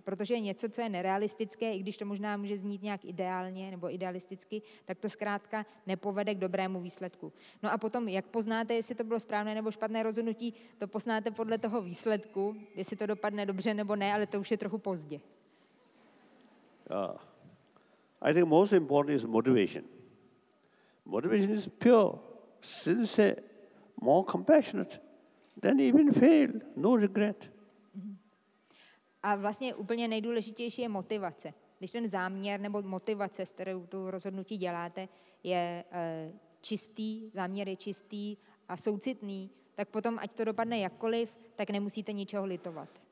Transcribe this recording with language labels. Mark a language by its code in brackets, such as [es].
[cs] Protože něco, co je nerealistické, i když to možná může znít nějak ideálně nebo idealisticky, tak to zkrátka nepovede k dobrému výsledku. No a potom, jak poznáte, jestli to bylo správné nebo špatné rozhodnutí, to poznáte podle toho výsledku, jestli to dopadne dobře nebo ne, ale to už je trochu pozdě. [en] I think most important is motivation. Motivation is pure, sincere, more compassionate. Then even fail, no regret. [cs] A vlastně úplně nejdůležitější je motivace. Když ten záměr nebo motivace, s kterou to rozhodnutí děláte, je čistý, záměr je čistý a soucitný, tak potom, ať to dopadne jakkoliv, tak nemusíte ničeho litovat.